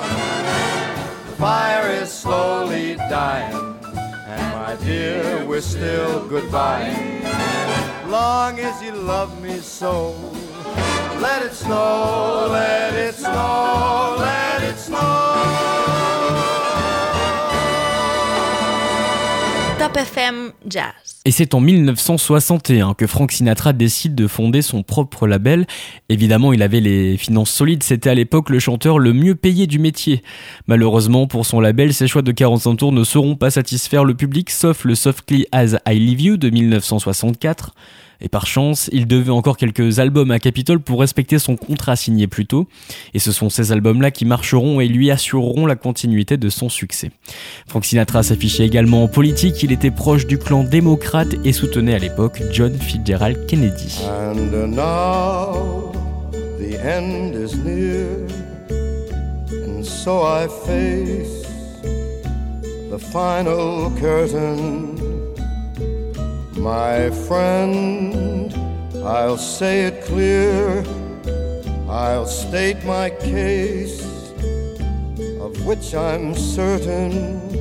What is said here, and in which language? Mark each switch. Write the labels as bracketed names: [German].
[English] The fire is slowly dying, and my dear, we're still goodbye. Long as you love me so, let it snow, let it snow, let it snow. Top FM Jazz. [French] Et c'est en 1961 que Frank Sinatra décide de fonder son propre label. Évidemment, il avait les finances solides, c'était à l'époque le chanteur le mieux payé du métier. Malheureusement, pour son label, ses choix de 45 tours ne sauront pas satisfaire le public, sauf le Softly As I Leave You de 1964. Et par chance, il devait encore quelques albums à Capitol pour respecter son contrat signé plus tôt. Et ce sont ces albums-là qui marcheront et lui assureront la continuité de son succès. Frank Sinatra s'affichait également en politique. Il était proche du clan démocrate et soutenait à l'époque John Fitzgerald Kennedy. [English] And now the end is near, and so I face the final curtain. My friend, I'll say it clear, I'll state my case, of which I'm certain.